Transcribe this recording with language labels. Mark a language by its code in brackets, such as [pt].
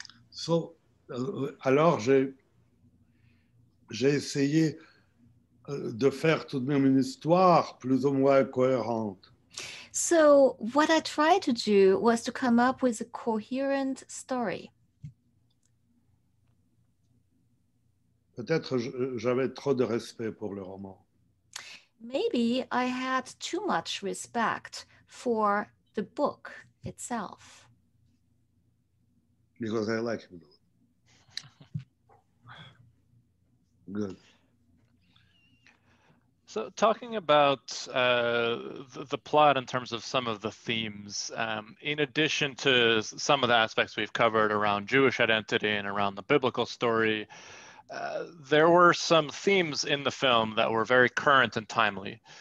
[fr] So, alors j'ai essayé de faire tout de même une histoire plus ou moins cohérente. [en] So, what I tried to do was to come up with a coherent story. [fr] Peut-être j'avais trop de respect pour le roman. [en] Maybe I had too much respect for the book itself. Because I like it. Good. So talking about the plot in terms of some of the themes, in addition to some of the aspects we've covered around Jewish identity and around the biblical story, there were some themes in the film that were very current and timely.